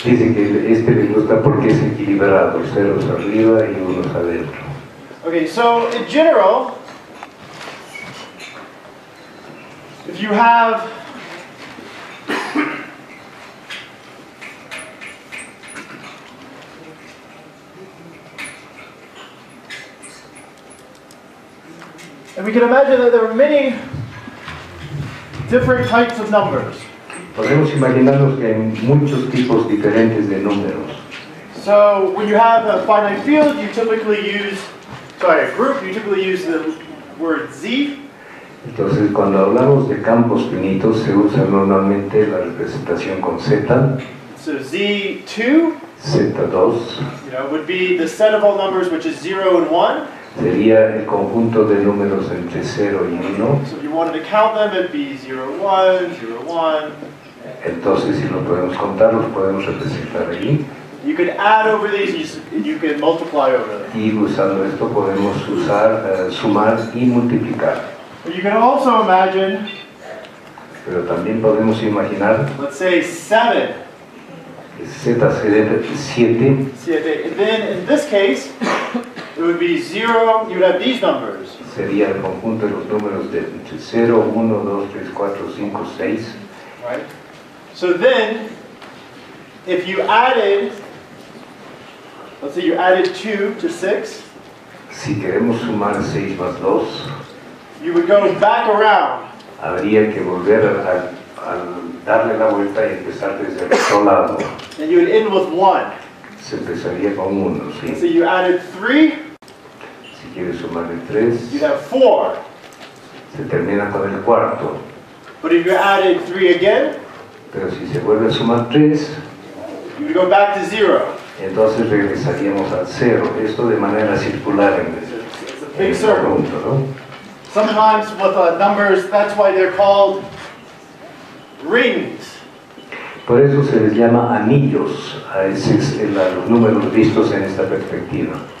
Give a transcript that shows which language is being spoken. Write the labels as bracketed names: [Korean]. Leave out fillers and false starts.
[Spanish] Dice que este me gusta porque es equilibrado, ceros arriba y unos adentro. [English] Okay, so in general, if you have and we can imagine that there are many different types of numbers. [Spanish] Podemos imaginarnos que hay muchos tipos diferentes de números. [English] So when you have a finite field, you typically use, a group, you typically use the word Z. [Spanish] Entonces, cuando hablamos de campos finitos, se usa normalmente la representación con Z. [English] So Z2, [Spanish] Z2, [English] would be the set of all numbers which is 0 and 1. [Spanish] Sería el conjunto de números entre 0 y 1. [English] So if you wanted to count them, it'd be 0, 1, 0, 1. [Spanish] Entonces, si lo podemos contar, los podemos representar allí. [English] You can add over these and you can multiply over them. [Spanish] Y usando esto podemos usar, sumar y multiplicar. [English] But you can also imagine, [Spanish] pero también podemos imaginar, [English] let's say 7. [Spanish] Z7. [English] And then in this case, it would be 0, you would have these numbers. [Spanish] Sería el conjunto de los números de 0, 1, 2, 3, 4, 5, 6. [English] Right. So then, if you added, let's say you added 2 to 6. [Spanish] Si queremos sumar 6 más 2. [English] You would go back around. [Spanish] Habría que volver al darle la vuelta y empezar desde el otro lado. [English] And you would end with 1. [Spanish] Se empezaría con 1, sí. [English] So you added 3. [Spanish] Si quieres sumarle 3. [English] You have 4. [Spanish] Se termina con el cuarto. [English] But if you added 3 again. [Spanish] Pero si se vuelve a sumar 3. [English] You would go back to 0. [Spanish] Entonces regresaríamos al 0. Esto de manera circular en el conjunto, ¿no? [English] Sometimes with numbers, that's why they're called rings. [Spanish] Por eso se les llama anillos a esos, a los números vistos en esta perspectiva.